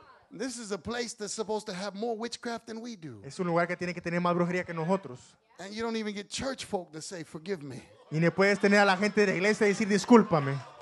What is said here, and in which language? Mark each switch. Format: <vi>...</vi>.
<en>This is a place that's supposed to have more witchcraft than we do.</en> <es>Es un lugar que tiene que tener más brujería que nosotros.</es> <en>And you don't even get church folk to say, forgive me.</en> <es>Y ni puedes tener a la gente de la iglesia decir, discúlpame.</es>